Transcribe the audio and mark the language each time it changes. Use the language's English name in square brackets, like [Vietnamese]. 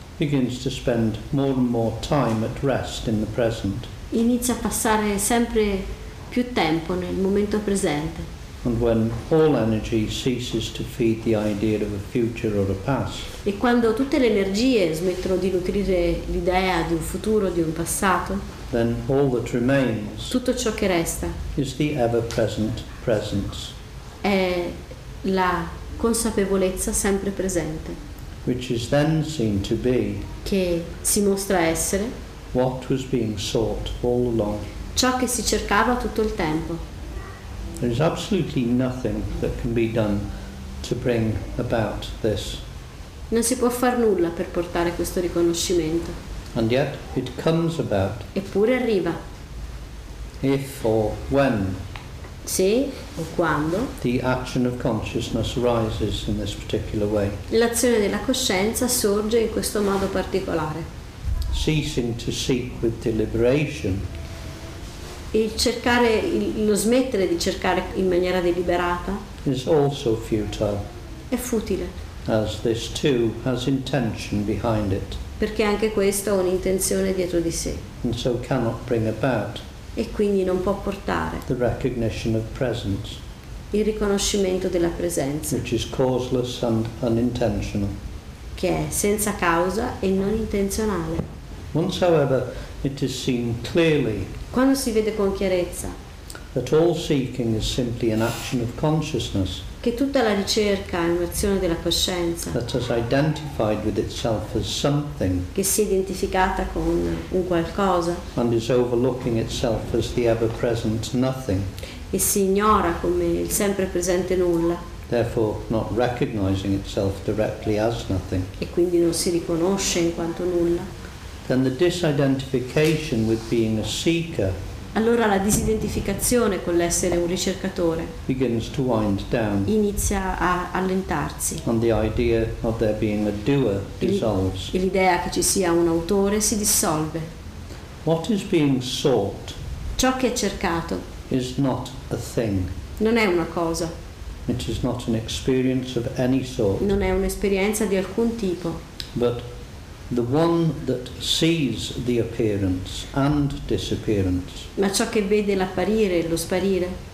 [English] begins to spend more and more time at rest in the present, [Italian] inizia a passare sempre più tempo nel momento presente. [English] And when all energy ceases to feed the idea of a future or a past, [Italian] e quando tutte le energie smettono di nutrire l'idea di un futuro, di un passato, [English] then all that remains, [Italian] tutto ciò che resta, [English] is the ever-present presence, [Italian] è la consapevolezza sempre presente, [English] which is then seen to be, [Italian] che si mostra essere, [English] what was being sought all along, [Italian] ciò che si cercava tutto il tempo. [English] There is absolutely nothing that can be done to bring about this. [Italian] Non si può far nulla per portare questo riconoscimento. [English] And yet it comes about. [Italian] Eppure arriva. [English] If or when. [Italian] Se o quando. [English] The action of consciousness arises in this particular way. [Italian] L'azione della coscienza sorge in questo modo particolare. [English] Ceasing to seek with deliberation. [Italian] Il cercare, lo smettere di cercare in maniera deliberata, [English] is also futile, [Italian] è futile, [English] as this too has intention behind it, [Italian] perché anche questo ha un'intenzione dietro di sé, [English] and so cannot bring about, [Italian] e quindi non può portare, [English] the recognition of presence, [Italian] il riconoscimento della presenza, [English] which is causeless and unintentional, [Italian] che è senza causa e non intenzionale. [English] Once, however, it is seen clearly [Italian] quando si vede con chiarezza [English] that all seeking is simply an action of consciousness [Italian] che tutta la ricerca è un'azione della coscienza [English] that has identified with itself as something [Italian] che si è identificata con un qualcosa [English] and is overlooking itself as the ever-present nothing [Italian] e si ignora come il sempre presente nulla [English] therefore not recognizing itself directly as nothing [Italian] e quindi non si riconosce in quanto nulla [English] then the disidentification with being a seeker [Italian] allora la disidentificazione con l'essere un ricercatore [English] begins to wind down [Italian] inizia a allentarsi [English] and the idea of there being a doer dissolves [Italian] e l'idea che ci sia un autore si dissolve [English] what is being sought [Italian] ciò che è cercato [English] is not a thing [Italian] non è una cosa [English] it is not an experience of any sort [Italian] non è un'esperienza di alcun tipo [English] but the one that sees the appearance and disappearance [Italian] ma ciò che vede l'apparire e lo sparire